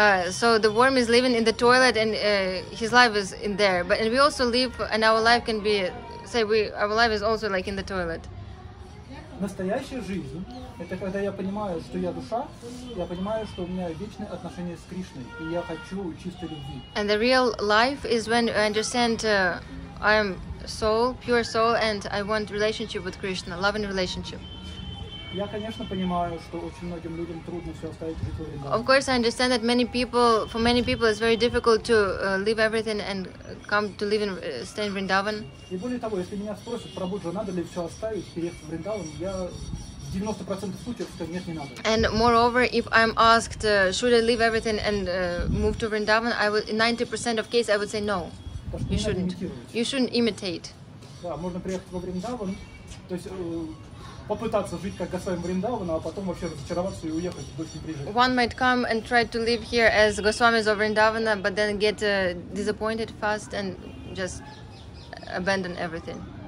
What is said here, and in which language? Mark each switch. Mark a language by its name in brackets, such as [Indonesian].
[English] So the worm is living in the toilet and his life is in there. But and we also live and our life can be say we our life is also like in the toilet. [Russian] Настоящая жизнь – это когда я понимаю, что я душа, я понимаю, что у меня вечные отношения с Кришной, и я хочу чистой любви. [English] And the real life is when I understand I am soul, pure soul, and I want relationship with Krishna, loving relationship. [Russian] Я, конечно, понимаю, что очень многим людям трудно все оставить в ритуале. [English] Of course, I understand that many people, for many people, it's very difficult to leave everything and come to live in, stay in Vrindavan. [Russian] И более того, если меня спросят про Буджу, надо ли все оставить, переехать в Вриндаван, я 90% случаев скажу, нет, не надо. [English] And moreover, if I'm asked, should I leave everything and move to Vrindavan, I would, in 90% of cases, I would say no. You shouldn't. [Russian] Имитировать. [English] You shouldn't imitate. [Russian] Да, можно приехать во Вриндаван, то есть... попытаться жить как Госвами Вриндавана, а потом вообще разочароваться и уехать, больше не приезжать. [English] One might come and try to live here as Goswamis of Vrindavana, but then get disappointed fast and just abandon everything.